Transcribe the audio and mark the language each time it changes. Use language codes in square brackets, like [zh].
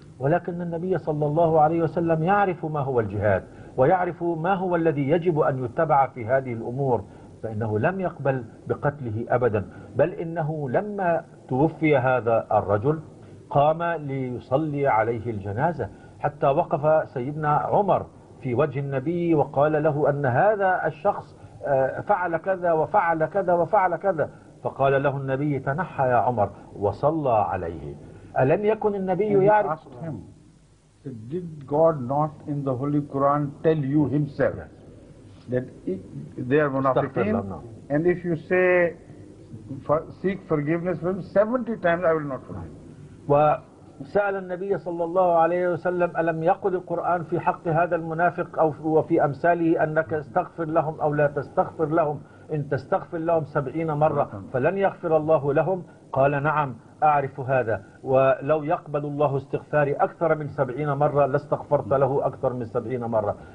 [ar] ولكن النبي صلى الله عليه وسلم يعرف ما هو الجهاد ويعرف ما هو الذي يجب أن يتبع في هذه الأمور، فإنه لم يقبل بقتله أبدا، بل إنه لما توفي هذا الرجل قام ليصلي عليه الجنازة، حتى وقف سيدنا عمر في وجه النبي وقال له أن هذا الشخص فعل كذا وفعل كذا وفعل كذا، فقال له النبي تنحى يا عمر وصلى عليه. ألم يكن النبي يعرف؟ [en] Did God not in the Holy Quran tell you himself that they are munafiqeen, and if you say seek forgiveness for him 70 times I will not forgive. [ar] وسأل النبي صلى الله عليه وسلم ألم يقل القرآن في حق هذا المنافق أو وفي أمثاله أنك استغفر لهم أو لا تستغفر لهم، إن تستغفر لهم 70 مرة فلن يغفر الله لهم؟ قال نعم أعرف هذا، ولو يقبل الله استغفاري أكثر من 70 مرة لاستغفرت له أكثر من 70 مرة.